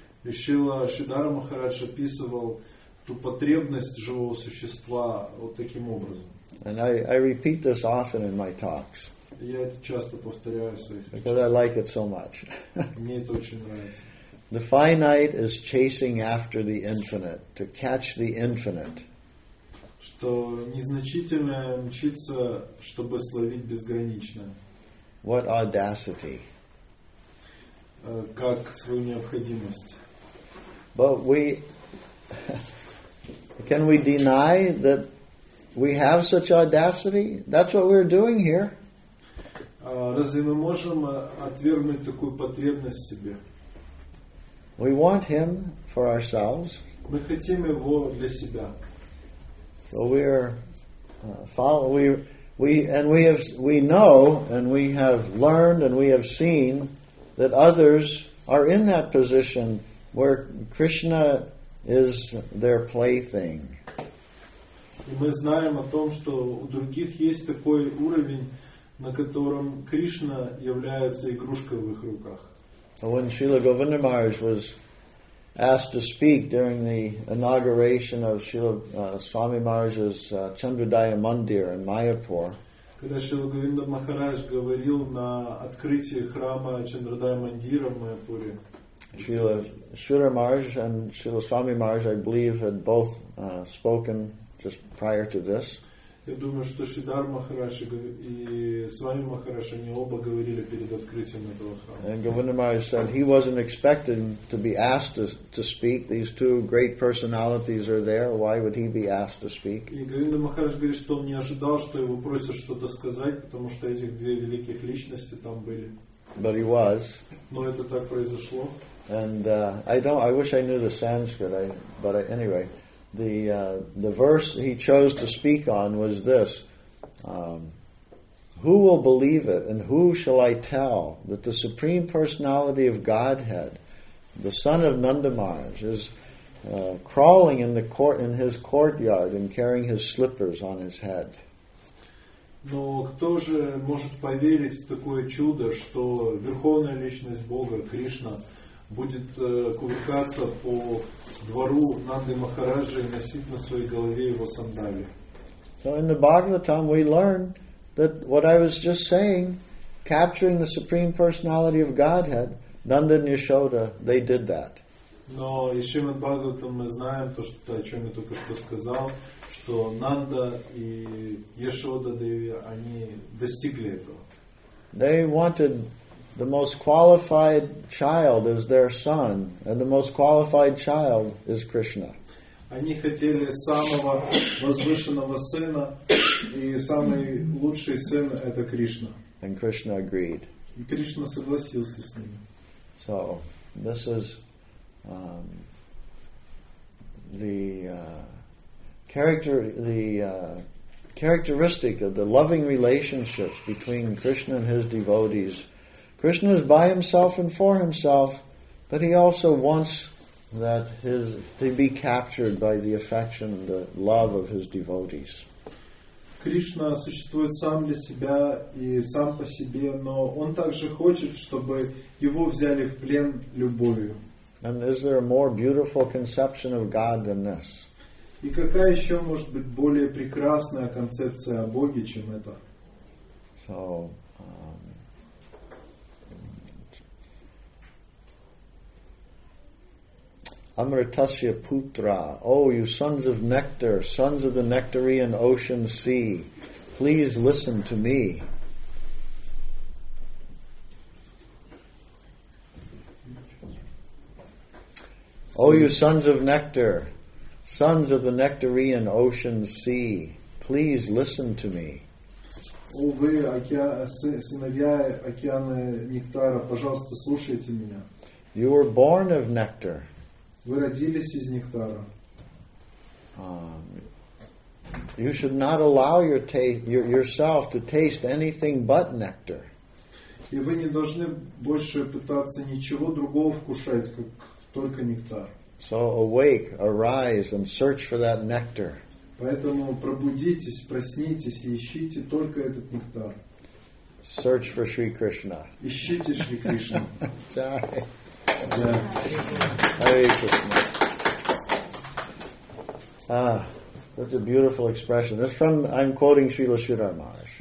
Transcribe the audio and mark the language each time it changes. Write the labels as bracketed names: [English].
[Russian] Шрила Шридхара Махарадж описывал ту потребность живого существа вот таким образом. [English] And I repeat this often in my talks. [Russian] Я это часто повторяю в своих речах. [English] Because I like it so much. [Russian] Мне это очень нравится. [English] The finite is chasing after the infinite, to catch the infinite. [Russian] Что незначительное мчится, чтобы словить безграничное. [English] What audacity. [Russian] Как свою необходимость. [English] But can we deny that we have such audacity? That's what we're doing here. [Russian] Разве мы можем отвергнуть такую потребность себе? [English] We want him for ourselves. [Russian] Мы хотим его для себя. [English] So we know and we have learned and we have seen that others are in that position where Krishna is their plaything. [Russian] Мы знаем о том, что у других есть такой уровень, на котором Кришна является игрушкой в их руках. [English] When Srila Govinda Maharaj was asked to speak during the inauguration of Srila Swami Maharaj's Chandradaya Mandir in Mayapur, [Russian] когда Шрила Говинда Махарадж говорил на открытии храма Чандрадая Мандира в Майяпуре, [English] Шрила Марж и Шрила Свами Марж, I believe, had both spoken just prior to this. [Russian] Я думаю, что Шридхар Махарадж и Свами Махарадж, они оба говорили перед открытием этого храма. [English] And Говинда Махарадж said he wasn't expected to be asked to speak. These two great personalities are there. Why would he be asked to speak? [Russian] И Говинда Махарадж говорит, что он не ожидал, что его просят что-то сказать, потому что этих две великих личности там были. [English] But he was. [Russian] Но это так произошло. [English] And I wish I knew the Sanskrit. The verse he chose to speak on was this. Who will believe it, and who shall I tell that the Supreme Personality of Godhead, the son of Nanda Maharaj, is crawling in the court in his courtyard and carrying his slippers on his head? [Russian] Но кто же может поверить в такое чудо, что верховная личность Бога Кришна будет кувыркаться по двору Нанды Махараджи и носить на своей голове его сандалии? [English] So in the Bhagavatam we learn that what I was just saying, capturing the Supreme Personality of Godhead, Nanda and Yashoda, they did that. [Russian] Но из Шримад Бхагаватам мы знаем то, что, о чем я только что сказал, что Нанда и Яшода Деви, они достигли этого. [English] They wanted the most qualified child as their son, and the most qualified child is Krishna. [Russian] Они хотели самого возвышенного сына, и самый лучший сын — это Кришна. [English] And Krishna agreed. [Russian] И Кришна согласился с ними. [English] So, this is characteristic of the loving relationships between Krishna and his devotees. Krishna is by himself and for himself, but he also wants that his to be captured by the affection, the love of his devotees. [Russian] Кришна существует сам для себя и сам по себе, но он также хочет, чтобы его взяли в плен любовью. [English] And is there a more beautiful conception of God than this? [Russian] И какая еще может быть более прекрасная концепция о Боге, чем это? [English] So, Amritasya Putra, oh, you sons of nectar, sons of the nectarian ocean sea, please listen to me. Oh, you sons of nectar, sons of the nectarian ocean sea, please listen to me. [Russian] О вы, сыновья океана нектара, пожалуйста, слушайте меня. [English] You were born of nectar. [Russian] Вы родились из нектара. [English] You should not allow yourself to taste anything but nectar. [Russian] И вы не должны больше пытаться ничего другого вкушать, как только нектар. [English] So awake, arise, and search for that nectar. [Russian] Поэтому пробудитесь, проснитесь и ищите только этот нектар. [English] Search for Sri Krishna. [Russian] Ищите Шри Кришну. [English] Hare Krishna. Ah, that's a beautiful expression. That's from, I'm quoting Srila Sridhara Maharaj.